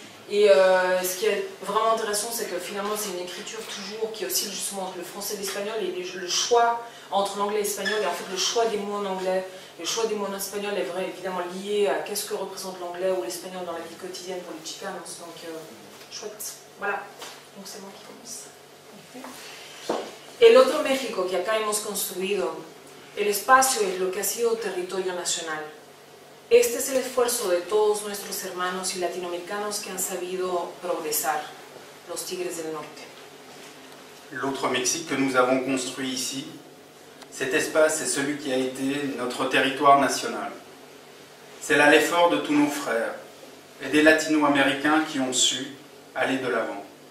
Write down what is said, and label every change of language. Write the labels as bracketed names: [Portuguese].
[French] Et ce qui est vraiment intéressant, c'est que finalement, c'est une écriture toujours qui oscille justement entre le français et l'espagnol, et le choix entre l'anglais et l'espagnol, et en fait, le choix des mots en anglais, le choix des mots en espagnol est vrai, évidemment lié à qu'est-ce que représente l'anglais ou l'espagnol dans la vie quotidienne pour les chicanos. Donc, chouette. Voilà. Donc, c'est moi qui commence. [Spanish] El otro México que acá hemos construido, el espacio es lo que ha sido territorio nacional. Este es el esfuerzo de todos nuestros hermanos y latinoamericanos que han sabido progresar, los Tigres del Norte. [French] L'autre Mexique que nous avons construit ici, cet espace est celui qui a été notre territoire national. C'est là l'effort de tous nos frères et des latino-américains qui ont su aller de l'avant.